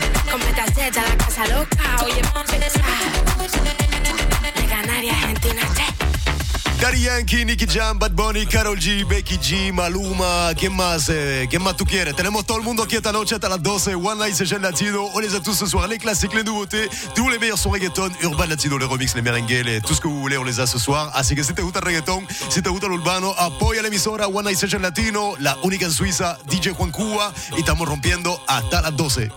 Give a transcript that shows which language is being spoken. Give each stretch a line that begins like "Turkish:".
Spanish: Completa seta, la casa loca, oye, de Canarias, Argentina, che. Daddy Yankee, Nicky Jam, Bad Bunny, Karol G, Becky G, Maluma, ¿quién más? ¿Quién más tú quieres? Tenemos todo el mundo aquí esta noche hasta las 12.
French: One Night Session Latino.
Spanish: Hola
French: a tous ce soir. Les classiques, les nouveautés. Tous les meilleurs sont reggaeton, urban latino, les remix, les merengues, les, tout ce que vous voulez, on les a ce soir.
Spanish: Así que si te gusta el reggaeton, si te gusta el urbano, apoya la emisora One Night Session Latino, la única en Suiza, DJ Juan Cuba. Y estamos rompiendo hasta las 12.